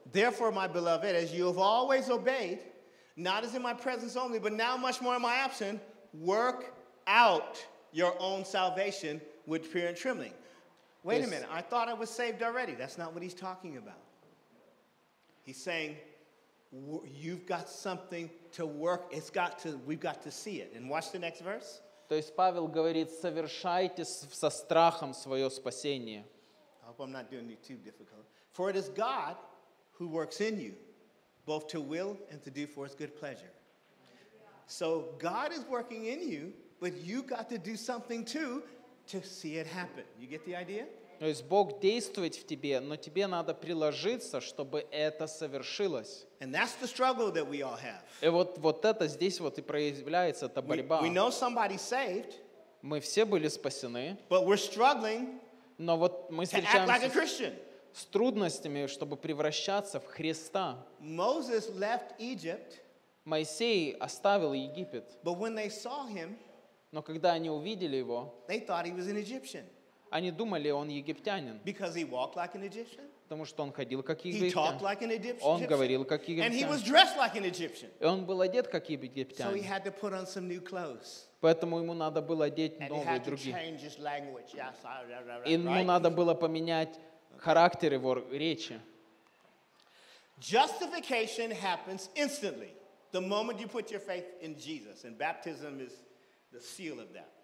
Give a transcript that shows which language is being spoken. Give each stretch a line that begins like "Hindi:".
English: Therefore, my beloved, as you have always obeyed, not as in my presence only, but now much more in my absence, work out your own salvation with fear and trembling. Wait a minute, I thought I was saved already. That's not what he's talking about. He's saying, you've got something to work, we've got to see it. And watch the next verse.
Russian: То есть Павел говорит, совершайте со страхом свое спасение.
English: I hope I'm not doing it too difficult. For it is God who works in you, both to will and to do for his good pleasure. So God is working in you, but you got to do something too to see it happen. You get the idea?
Russian: То есть Бог действует в тебе, но тебе надо приложиться, чтобы это совершилось.
English: And that's the struggle that we all have.
Russian: И вот это здесь вот и проявляется, эта борьба.
English: We know somebody saved.
Russian: Мы все были спасены.
English: But we're struggling.
Russian: Но вот мы встречаемся
English: to act like a Christian.
Russian: С трудностями, чтобы превращаться в Христа.
English: Moses left Egypt.
Russian: Моисей оставил Египет.
English: But when they saw him,
Russian: но когда они увидели его,
English: they thought he was an Egyptian.
Russian: Они думали, он египтянин.
English: Because he walked like an Egyptian.
Russian: Потому что он ходил как египтянин.
English: He talked like an Egyptian.
Russian: Он говорил как египтянин.
English: And he was dressed like an Egyptian.
Russian: И он был одет как египтянин.
English: So he had to put on some new clothes.
Russian: Поэтому ему надо было одеть новые другие.
English: And he had to change his language. Yes,
Russian: и ему надо было поменять характер его речи.
English: Justification happens instantly the moment you put your faith in Jesus, and baptism is the seal of that.